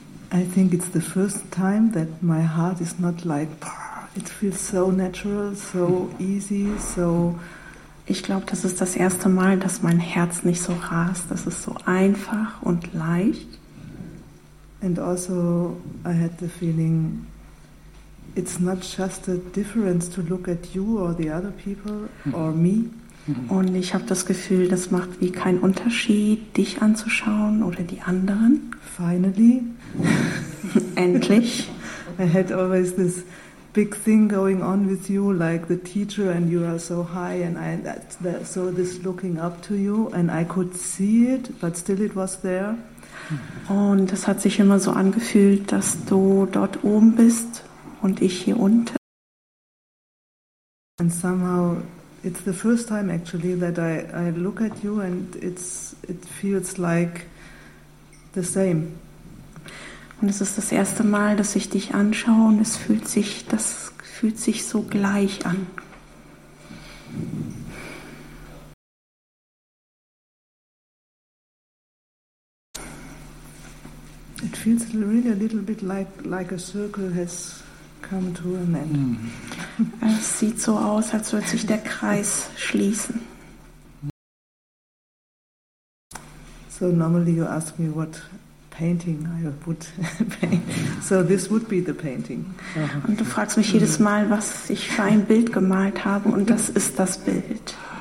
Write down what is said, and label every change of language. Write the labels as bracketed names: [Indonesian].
[English] I think it's the first time that my heart is not like, it feels so natural, so easy, so. [German] Ich glaube, das ist das erste Mal, dass mein Herz nicht so rast, das ist so einfach und leicht. [English] And also I had the feeling, it's not just a difference to look at you or the other people or me. [German] Und ich habe das Gefühl, das macht wie keinen Unterschied, dich anzuschauen oder die anderen. [English] Finally. [German] Endlich. [English] I had always this big thing going on with you, like the teacher and you are so high and I that, so this looking up to you and I could see it, but still it was there. [German] Und das hat sich immer so angefühlt, dass du dort oben bist und ich hier unten. [English] And somehow it's the first time actually that I look at you and it feels like the same. [German] Und es ist das erste Mal, dass ich dich anschaue und das fühlt sich so gleich an. [English] It feels really a little bit like a circle has come to an end. [German] Es sieht so aus, als würde sich der Kreis schließen. [English] So normally you ask me what painting I would paint. So this would be the painting. [German] Und du fragst mich jedes Mal, was ich für ein Bild gemalt habe, und das ist das Bild.